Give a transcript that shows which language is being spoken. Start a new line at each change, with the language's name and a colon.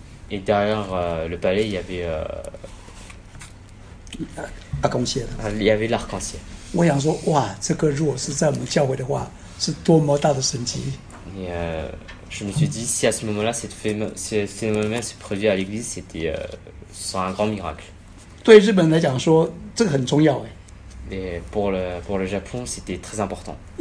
French: Et derrière le palais, il y avait l'arc-en-ciel.
Chinese: 我想说, 哇, 这个如果是在我们教会的话, 是多么大的神迹.
French: Et je me suis dit, si à ce moment-là, ce phénomène se produit à l'église, c'était un grand miracle.
Chinese: 对日本来讲说, 这个很重要, eh.
French: Et pour le Japon, c'était très important.